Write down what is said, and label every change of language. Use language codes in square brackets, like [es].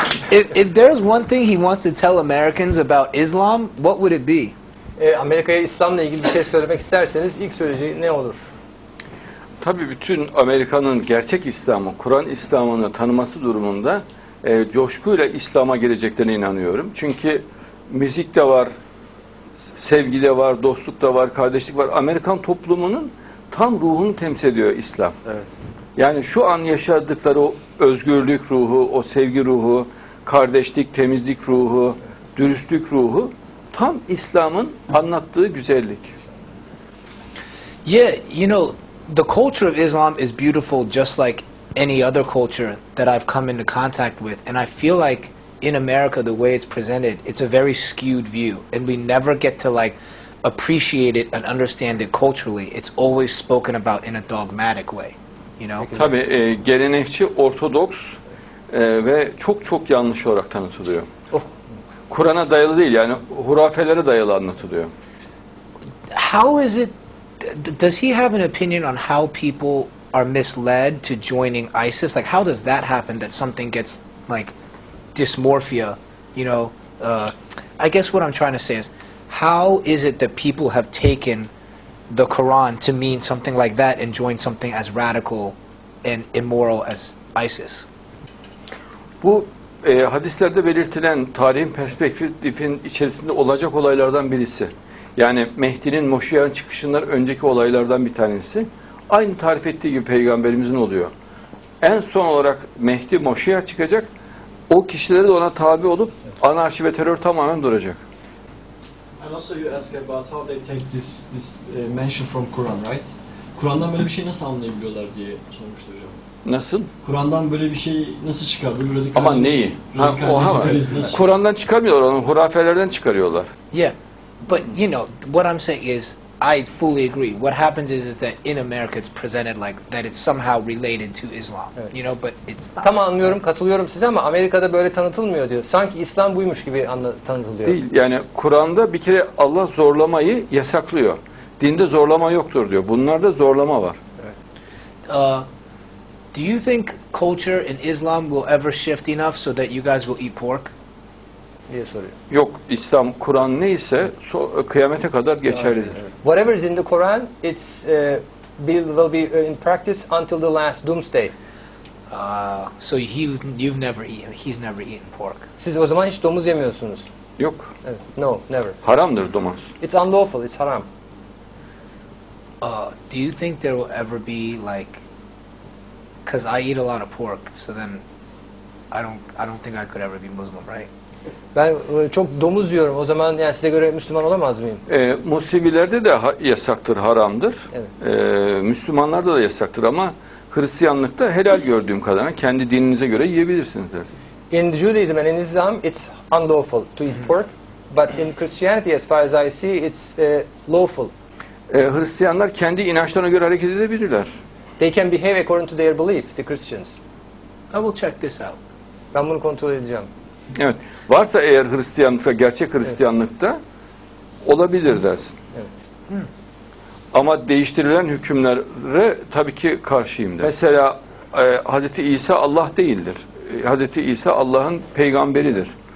[en] If there's one thing he wants to tell Americans about Islam, what would it be? [tr] Amerika'ya İslam'la ilgili bir şey söylemek isterseniz ilk söyleyeceği ne olur? Tabii bütün Amerika'nın gerçek İslam'ı, Kur'an İslam'ını tanıması durumunda coşkuyla İslam'a geleceklerine inanıyorum. Çünkü müzik de var, sevgi de var, dostluk da var, kardeşlik var. Amerikan toplumunun tam ruhunu temsil ediyor İslam. Evet. Yani şu an yaşadıkları o özgürlük ruhu, o sevgi ruhu, kardeşlik, temizlik ruhu, dürüstlük ruhu tam İslam'ın anlattığı güzellik. [en] Yeah, you know, the culture of Islam is beautiful just like any other culture that I've come into contact with. And I feel like in America, the way it's presented, it's a very skewed view. And we never get to like... appreciate it and understand it culturally. It's always spoken about in a dogmatic way, you know. [tr] Tabii gelenekçi, ortodoks ve çok çok yanlış olarak tanıtılıyor. Kur'an'a dayalı değil, yani hurafelere dayalı anlatılıyor. [en] How is it? Does he have an opinion on how people are misled to joining ISIS? Like, how does that happen? That something gets like dysmorphia, you know? I guess what I'm trying to say is. How is it that people have taken the Quran to mean something like that and joined something as radical and immoral as ISIS? [tr] Bu hadislerde belirtilen tarihin perspektifin içerisinde olacak olaylardan birisi. Yani Mehdi'nin Moşiyan çıkışından önceki olaylardan bir tanesi. Aynı tarif ettiği gibi peygamberimizin oluyor. En son olarak Mehdi Moşiyan çıkacak. O kişileri de ona tabi olup anarşi ve terör tamamen duracak. [en] And also you ask about how they take this mention from Quran, right? [tr] Kur'an'dan böyle bir şey nasıl anlayabiliyorlar diye sormuştu hocam. Nasıl? Kur'an'dan böyle bir şey nasıl çıkar? Bu radikal. Ama neyi? Kur'an'dan çıkarmıyorlar onu, hurafelerden çıkarıyorlar. Yeah. [en] But you know, what I'm saying is I fully agree. What happens is that in America it's presented like that it's somehow related to Islam. [tr] Evet. [en] You know, but it's not. [tr] Tamam, anlıyorum, katılıyorum size ama Amerika'da böyle tanıtılmıyor diyor. Sanki İslam buymuş gibi tanıtılıyor. Değil. Yani Kur'an'da bir kere Allah zorlamayı yasaklıyor. Dinde zorlama yoktur diyor. Bunlarda zorlama var. Evet. [en] Do you think culture in Islam will ever shift enough so that you guys will eat pork? [tr] Diye soruyor. Yok, İslam, Kur'an neyse kıyamete kadar geçerlidir. [en] Whatever is in the Quran, it's will be in practice until the last doomsday. So he's never eaten pork. [tr] Siz o zaman hiç domuz yemiyorsunuz. Yok. Evet. [en] No, never. [tr] Haramdır domuz. [en] It's unlawful, it's haram. Do you think there will ever be like because I eat a lot of pork, so then I don't think I could ever be Muslim, right? [tr] Ben çok domuz yiyorum. O zaman yani size göre Müslüman olamaz mıyım? Muslimilerde de yasaktır, haramdır. Evet. Müslümanlarda da yasaktır ama Hristiyanlıkta helal gördüğüm kadarıyla kendi dininize göre yiyebilirsiniz dersin. [en] In Judaism and in Islam it's unlawful to eat pork, but in Christianity as far as I see it's lawful. [tr] Hristiyanlar kendi inançlarına göre hareket edebilirler. [en] They can behave according to their belief, the Christians. I will check this out. [tr] Ben bunu kontrol edeceğim. Evet, varsa eğer Hristiyanlıkta, gerçek Hristiyanlıkta olabilir dersin. Evet. Ama değiştirilen hükümlere tabii ki karşıyım der. Mesela Hazreti İsa Allah değildir. Hazreti İsa Allah'ın peygamberidir.